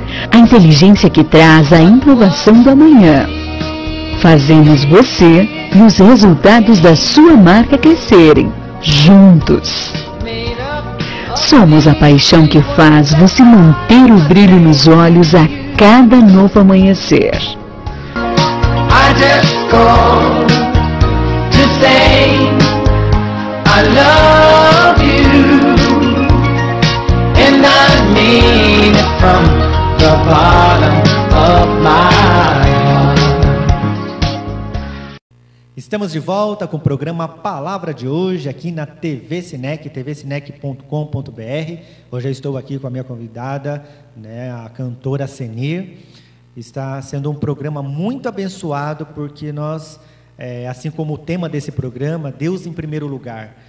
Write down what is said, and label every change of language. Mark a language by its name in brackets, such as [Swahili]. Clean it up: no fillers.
[Portuguese] A inteligência que traz a inovação do amanhã. Fazemos você e os resultados da sua marca crescerem, juntos. Somos a paixão que faz você manter o brilho nos olhos a cada novo amanhecer. [English] I just called to say I love you, and I mean it from the bottom of my heart. [Portuguese] Estamos de volta com o programa Palavra de Hoje, aqui na TV Cinec, tvcinec.com.br. Hoje eu estou aqui com a minha convidada, né, a cantora Senir. Está sendo um programa muito abençoado, porque nós, assim como o tema desse programa, Deus em primeiro lugar.